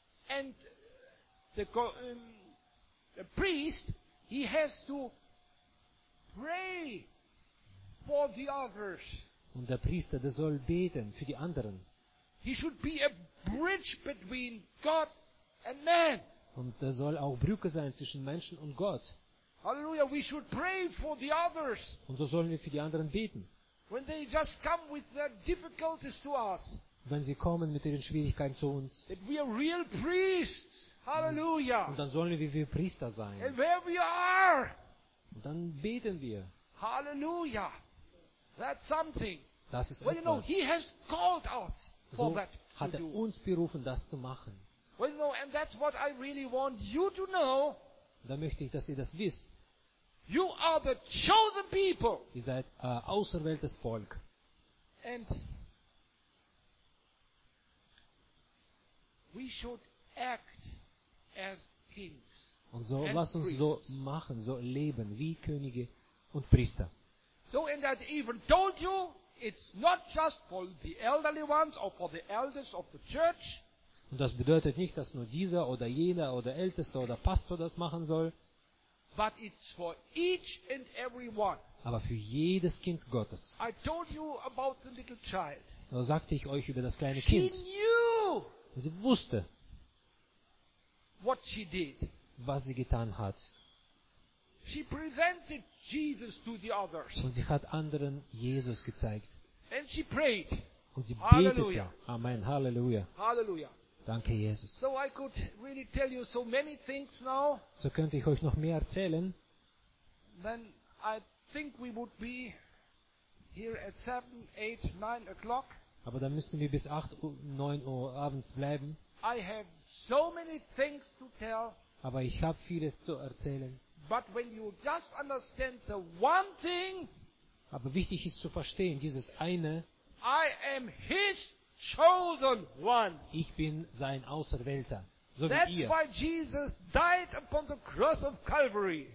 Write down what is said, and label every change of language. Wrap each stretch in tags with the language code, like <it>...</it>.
<en>And the priest, he has to pray for the others.</en> <de>Und der Priester, der soll beten für die anderen.</de> <en>He should be a bridge between God and man.</en> <de>Und der soll auch Brücke sein zwischen Menschen und Gott.</de> <en>Halleluja, we should pray for the others.</en> <de>Und so sollen wir für die anderen beten.</de> <en>When they just come with their difficulties to us.</en> <de>Wenn sie kommen mit ihren Schwierigkeiten zu uns.</de> <en>That we are real priests. Halleluja.</en> <de>Und dann sollen wir Priester sein.</de> <en>And where we are.</en> <de>Und dann beten wir.</de> <en>Halleluja. That's something.</en> <de>Das ist etwas.</de> <en>Well, you know, he has called us for that.</en> <de>So hat er uns berufen, das zu machen.</de> <en>Well, you know, and that's what I really want you to know.</en> <de>Da möchte ich, dass ihr das wisst.</de> <en>You are the chosen people.</en> <de>Ihr seid auserwähltes Volk.</de> <en>And we should act as kings.</en> <de>Und so lasst uns so machen, so leben wie Könige und Priester.</de> <en>So, and I even told you, it's not just for the elderly ones or for the elders of the church.</en> <de>Und das bedeutet nicht, dass nur dieser oder jener oder Ältester oder Pastor das machen soll.</de> <en>But it's for each and every one.</en> <de>Aber für jedes Kind Gottes.</de> <en>I told you about the little child.</en> <de>Da sagte ich euch über das kleine</de> <en>she</en> <de>Kind.</de> <en>Knew</en> <de>sie wusste,</de> <en>what she did.</en> <de>Was sie getan hat.</de> <en>She presented Jesus to the others.</en> <de>Und sie hat anderen Jesus gezeigt.</de> <en>And she prayed.</en> <de>Und sie betete. Amen. Halleluja. Halleluja. Danke, Jesus.</de> <en>So I could really tell you so many things now.</en> <de>So könnte ich euch noch mehr erzählen.</de> <en>Then I think we would be here at 7, 8, 9 o'clock.</en> <de>Aber dann müssten wir bis 8, 9 Uhr abends bleiben.</de> <en>I have so many things to tell.</en> <de>Aber ich habe vieles zu erzählen.</de> <en>But when you just understand the one thing,</en> <de>aber wichtig ist zu verstehen, dieses eine.</de> <en>I am his chosen one.</en> <de>Ich bin sein Auserwählter, so</de> <en>that's</en> <de>wie ihr.</de> <en>Why Jesus died upon the cross of Calvary.</en>